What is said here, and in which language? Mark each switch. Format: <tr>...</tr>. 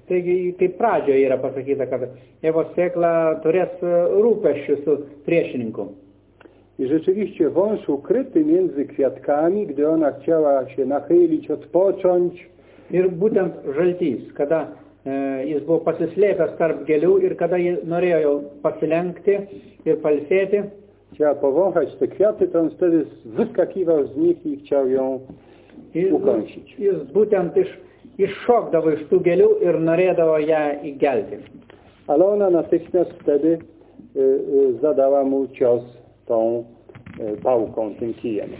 <lt>Taigi, kaip pradžioje yra pasakyta, kad Ewa sėkla turės rūpesčių su priešininku.</lt> <pl>I rzeczywiście wąż ukryty między kwiatkami, gdy ona chciała się nachylić, odpocząć.</pl> <lt>Ir būtent żeltys, kada jis buvo pasislėpęs tarp gėlių ir kada jis norėjo jau pasilenkti ir palsėti.</lt> <pl>Chciał powąchać te kwiaty, to on wtedy wyskakiwał z nich i chciał ją ukąsić.</pl> <lt>Jis būtent iššokdavo iš tų gėlių ir norėdavo ją įgelti.</lt> <pl>Ale ona natychmiast wtedy zadała mu cios tą pałką, tym kijem.</pl>